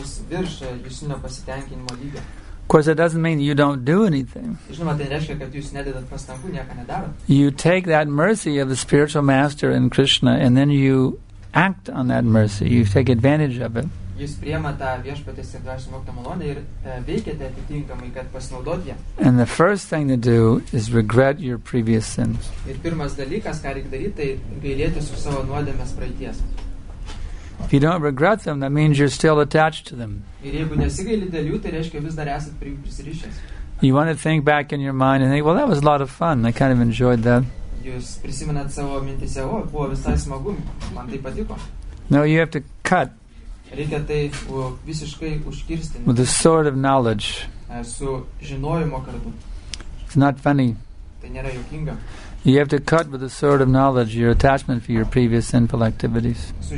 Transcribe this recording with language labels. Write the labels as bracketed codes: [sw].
[en] Of course, it doesn't mean you don't do anything. You take that mercy of the spiritual master in Krishna and then you act on that mercy. You take advantage of it. [lt] Jūs priemate viešpaties ir dvasinio mokytojo malonę ir veikiate atitinkamai, kad pasinaudoti ją. [en] And the first thing to do is regret your previous sins. [lt] Ir pirmas dalykas, ką reikia daryti, tai gailėtis už savo nuodėmes praeities. [en] If you don't regret them, that means you're still attached to them. [lt] Ir jeigu nesigaili dėl jų, tai reiškia, vis dar esat prie jų prisirišęs. [en] You want to think back in your mind and think, well, that was a lot of fun. I kind of enjoyed that. [lt] Jūs prisimenat savo mintise, o, buvo visai smagu, man tai patiko. [en] No, you have to cut with the sword of knowledge. It's not funny. You have to cut with the sword of knowledge your attachment for your previous sinful activities.